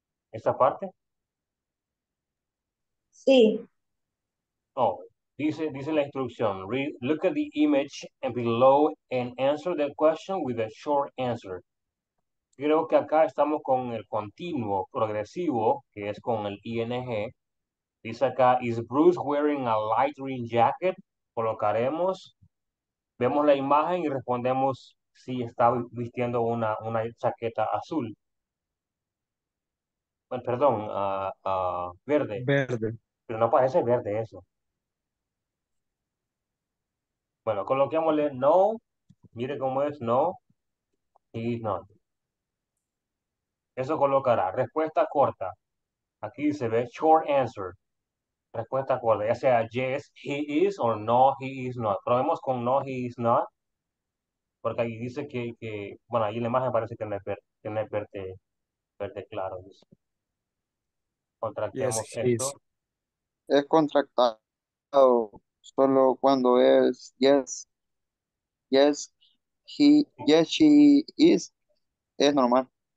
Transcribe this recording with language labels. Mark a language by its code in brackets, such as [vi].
[es] ¿Esta parte? Sí. Oh. Dice la instrucción, [en] look at the image and below and answer the question with a short answer. [es] Creo que acá estamos con el continuo progresivo, que es con el ING. Dice acá, [en] is Bruce wearing a light green jacket? [es] Colocaremos, vemos la imagen y respondemos si está vistiendo una chaqueta azul. Bueno, perdón, verde. Verde. Pero no parece verde eso. Bueno, coloquémosle no. Mire cómo es no. Y no. Eso colocará. Respuesta corta. Aquí se ve [en] short answer. [es] Respuesta corta. Ya sea [en] yes, he is, [es] or [en] no, he is not. [es] Probemos con [en] no, he is not. [es] Porque ahí dice que bueno, ahí la imagen parece que tiene verde claro. Dice. Contractemos yes, esto. Es contractado. Solo cuando es [en] yes, she is, [es] es normal.